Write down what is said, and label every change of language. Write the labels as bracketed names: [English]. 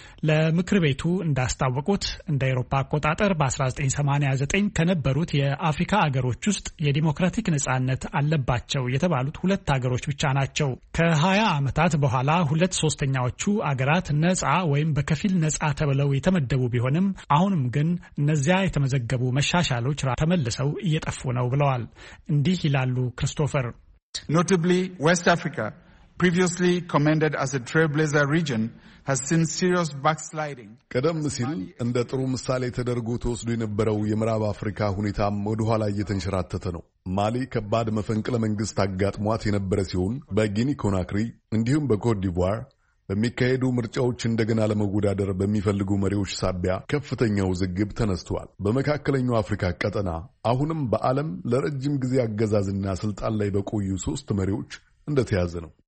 [Amharic] ለምክር ቤቱ እንዳስታወቁት እንደ አውሮፓ አቆጣጠር በ1989 ከነበሩት የአፍሪካ አገሮች ውስጥ የዲሞክራቲክ ነጻነት አለባቸው የተባሉት 2 አገሮች ብቻ ናቸው። ከ20 ዓመታት በኋላ 2/3ኛዎቹ አገራት ነጻ ወይም በከፊል ነጻ ተብለው የተመደቡ ቢሆንም አሁንም ግን እነዚያ የተመዘገቡ መሻሻሎች ተመልሰው እየጠፉ ነው ብለዋል። እንዲህ ይላሉ ክርስቶፈር። [English] Notably, West Africa, previously commended as a trailblazer region, has seen serious backsliding. [Amharic] ቀደም ሲል እንደ ጥሩ ምሳሌ ተደርጎ ተወስዶ የነበረው የምዕራብ አፍሪካ ሁኔታ ወደ ኋላ እየተንሸራተተ ነው። ማሊ ከባድ መፈንቅለ መንግስት አጋጥሟት የነበረ ሲሆን በጊኒ ኮናክሪ እንዲሁም በኮትዲቯር በሚካሄዱ ምርጫዎች እንደገና ለመወዳደር በሚፈልጉ መሪዎች ሳቢያ ከፍተኛው ዝግብ ተነስተዋል። በመካከለኛው አፍሪካ ቀጠና አሁንም በዓለም ለረጅም ጊዜ አገዛዝና ስልጣን ላይ በቆዩ 3 መሪዎች እንደተያዘ ነው።